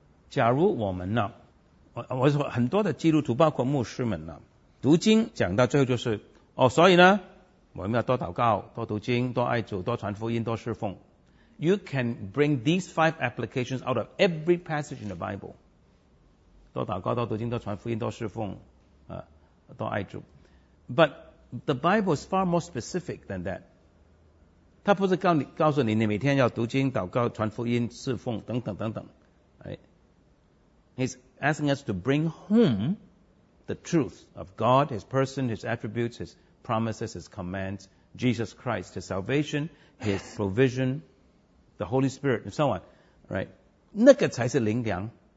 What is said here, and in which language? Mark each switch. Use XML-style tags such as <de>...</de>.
<zh>假如我们呢，我说很多的基督徒包括牧师们呢，读经讲到最后就是哦，所以呢我们要多祷告，多读经，多爱主，多传福音，多侍奉。</zh> <en>You can bring these five applications out of every passage in the Bible。</en> <zh>多祷告，多读经，多传福音，多侍奉，多爱主。</zh> <en>But the Bible is far more specific than that。</en> <zh>它不是告诉你你每天要读经、祷告、传福音、侍奉等等等等。</zh> <en>He's asking us to bring home the truth of God, His person, His attributes, His promises, His commands, Jesus Christ, His salvation, His provision, the Holy Spirit, and so on. Right?</en> <zh>那个才是灵粮。</zh>